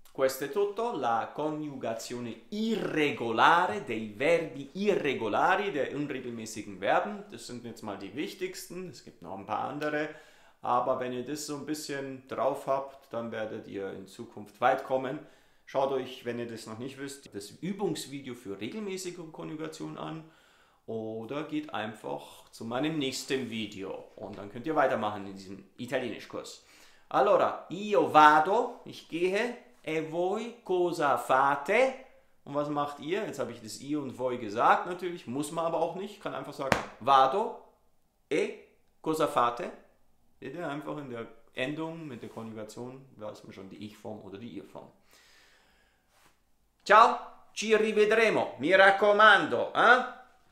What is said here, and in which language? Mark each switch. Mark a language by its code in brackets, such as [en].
[it] Questo è tutto, la coniugazione irregolare dei verbi irregolari, dei [de] unregelmäßigen Verben. Das sind jetzt mal die wichtigsten, es gibt noch ein paar andere. Aber wenn ihr das so ein bisschen drauf habt, dann werdet ihr in Zukunft weit kommen. Schaut euch, wenn ihr das noch nicht wisst, das Übungsvideo für regelmäßige Konjugation an. Oder geht einfach zu meinem nächsten Video und dann könnt ihr weitermachen in diesem Italienischkurs. [it] Allora, io vado, [de] ich gehe. [it] E voi cosa fate? [de] Und was macht ihr? Jetzt habe ich das ihr und voi gesagt natürlich, muss man aber auch nicht. Kann einfach sagen, [it] vado e cosa fate? [de] Seht ihr einfach in der Endung mit der Konjugation, da ist man schon die Ich-Form oder die Ihr-Form. [it] Ciao, ci rivedremo, mi raccomando.